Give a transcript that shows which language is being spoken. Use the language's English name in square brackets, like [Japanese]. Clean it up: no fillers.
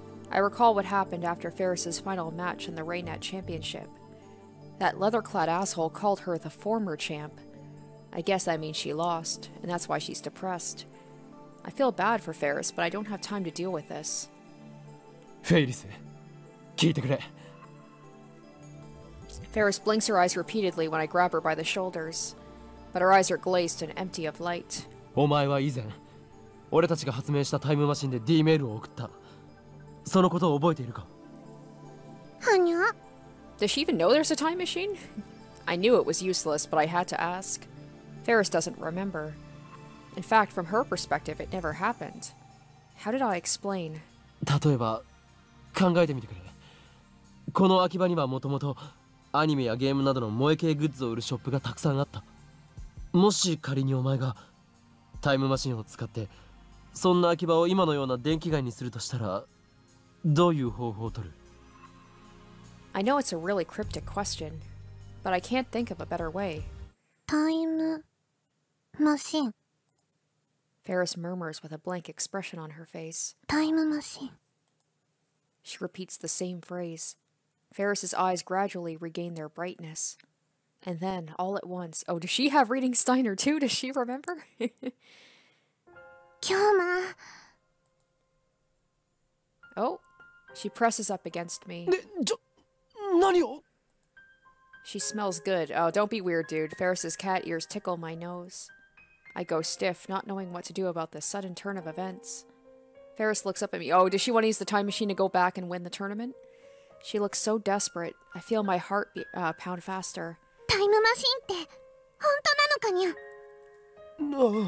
[English] I recall what happened after Faris's final match in the Raynet Championship. That leather-clad asshole called her the former champ. I guess that means she lost, and that's why she's depressed. I feel bad for Faris, but I don't have time to deal with this. [Japanese] フェイリス、聞いてくれ。 [English] Faris blinks her eyes repeatedly when I grab her by the shoulders, but her eyes are glazed and empty of light. [Japanese] お前は以前、俺たちが発明したタイムマシンで D メールを送った。そのことを覚えているか？はにゃ。 [English] Does she even know there's a time machine? I knew it was useless, but I had to ask. Faris doesn't remember. In fact, from her perspective, it never happened. How did I explain? [Japanese] 例えば、考えてみてくれ。この秋葉にはもともとアニメやゲームなどの萌え系グッズを売るショップがたくさんあった。もし仮にお前がタイムマシンを使ってそんな秋葉を今のような電気街にするとしたら、どういう方法を取る？ [English] I know it's a really cryptic question, but I can't think of a better way. [Japanese] タイムマシン。 [English] Faris murmurs with a blank expression on her face. [Japanese] タイムマシン。 [English] She repeats the same phrase. Faris's eyes gradually regain their brightness. And then, all at once, oh, does she have reading Steiner too? Does she remember? Kyoma! Oh, she presses up against me. She smells good. Oh, don't be weird, dude. Faris's cat ears tickle my nose. I go stiff, not knowing what to do about this sudden turn of events. Faris looks up at me. Oh, does she want to use the time machine to go back and win the tournament? She looks so desperate. I feel my heart pound faster. [Japanese] タイムマシンって本当なのかにゃ？